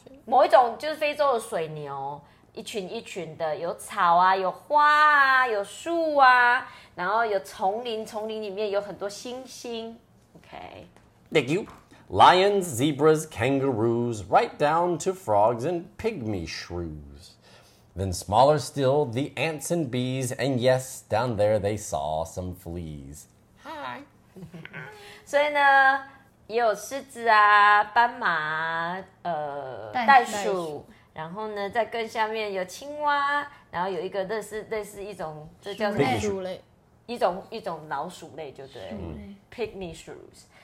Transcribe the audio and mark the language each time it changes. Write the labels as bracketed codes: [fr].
[zh] 某一种就是非洲的水牛，一群一群的，有草啊，有花啊，有树啊，然后有丛林，丛林里面有很多星星。 [en] OK. Thank you. Lions, zebras, kangaroos, right down to frogs and pygmy shrews. Then smaller still, the ants and bees, and yes, down there they saw some fleas. Hi. [zh] 所以呢，也有狮子啊，斑马啊，袋鼠，然后呢，在更下面有青蛙，然后有一个类似一种，这叫什么？鼠类，一种老鼠类，就对 ，pygmy shrews。